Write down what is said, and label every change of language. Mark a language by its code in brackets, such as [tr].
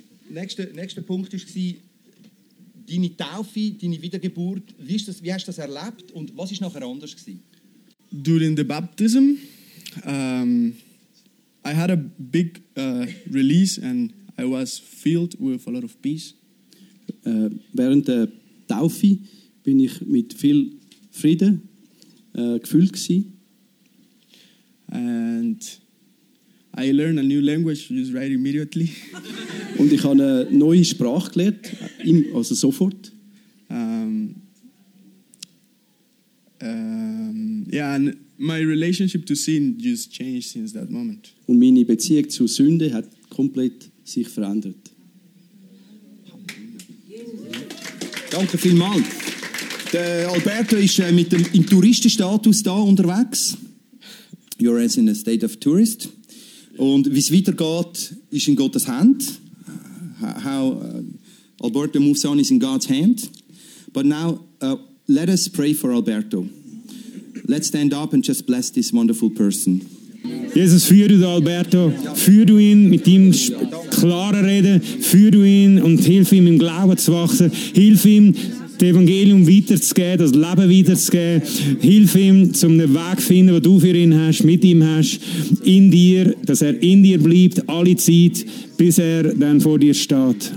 [de] Nächster Punkt war, deine Taufe, deine Wiedergeburt, wie hast du das erlebt und was war nachher anders gewesen? [en] During the baptism, I had a big release and I was filled with a lot of peace. [de] Während der Taufe bin ich mit viel Frieden gefüllt gewesen. [en] And I learned a new language just right immediately. [de] Und ich habe eine neue Sprache gelernt, also sofort. [en] Yeah, and my relationship to sin just changed since that moment. [de] Und meine Beziehung zu Sünde hat komplett sich verändert. Danke vielmals. Der Alberto ist mit dem im Touristenstatus da unterwegs. [en] You're in a state of tourist. [de] Und wie es weitergeht, ist in Gottes Hand. [en] How Alberto moves on is in God's hand. But now, let us pray for Alberto. Let's stand up and just bless this wonderful person. [de] Jesus, führ du Alberto. Führ du ihn mit ihm klarer reden. Führ du ihn und hilf ihm, im Glauben zu wachsen. Hilf ihm, das Evangelium weiterzugeben, das Leben weiterzugeben. Hilf ihm, um den Weg zu finden, den du für ihn hast, mit ihm hast, in dir, dass er in dir bleibt, alle Zeit, bis er dann vor dir steht.